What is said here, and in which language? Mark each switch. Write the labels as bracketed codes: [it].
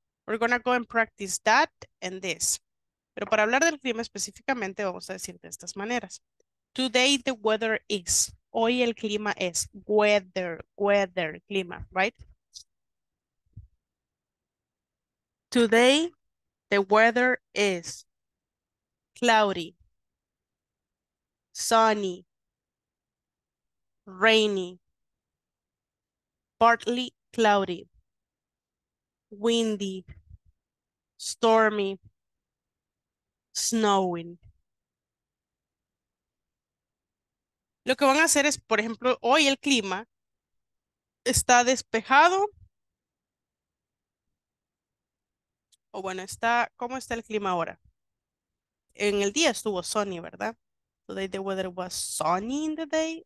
[en] We're gonna go and practice that and this. [es] Pero para hablar del clima específicamente, vamos a decir de estas maneras. [en] Today the weather is. [es] Hoy el clima es. [en] Weather, weather, clima, right? Today the weather is cloudy, sunny, rainy, partly cloudy, windy, stormy, snowing. [es] Lo que van a hacer es, por ejemplo, hoy el clima está despejado. O bueno, está, ¿cómo está el clima ahora? En el día estuvo sunny, ¿verdad? [en] Today the weather was sunny in the day.